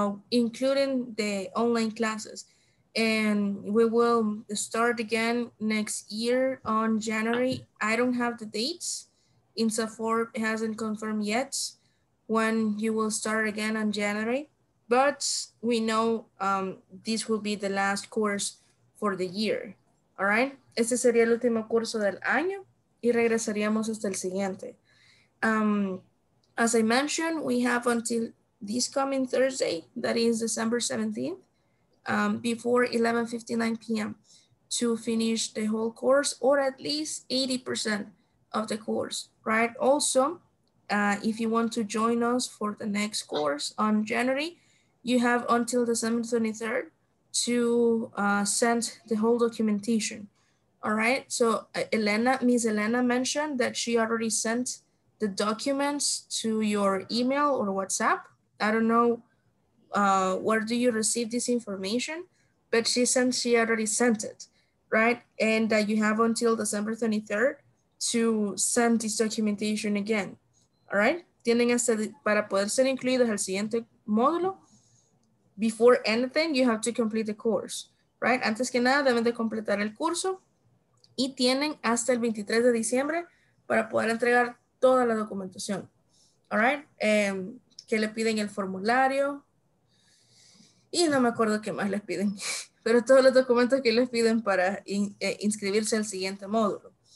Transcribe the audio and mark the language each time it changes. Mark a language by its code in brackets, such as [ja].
[en] Including the online classes. And we will start again next year on January. I don't have the dates. INSAFORP hasn't confirmed yet when you will start again on January. But we know this will be the last course for the year. All right? [es] Este sería el último curso del año y regresaríamos hasta el siguiente. [en] As I mentioned, we have until this coming Thursday, that is December 17th, before 11:59 p.m. to finish the whole course or at least 80% of the course, right? Also, if you want to join us for the next course on January, you have until December 23rd to send the whole documentation, all right? So Elena, Ms. Elena mentioned that she already sent the documents to your email or WhatsApp. I don't know where do you receive this information, but she sent, she already sent it, right? And that you have until December 23rd to send this documentation again, all right? [es] Tienen hasta para poder ser incluidos al siguiente módulo. [en] Before anything, you have to complete the course, right? [es] Antes que nada, deben de completar el curso y tienen hasta el 23 de diciembre para poder entregar toda la documentación, all right? Que le piden el formulario y no me acuerdo qué más les piden, pero todos los documentos que les piden para inscribirse al siguiente módulo.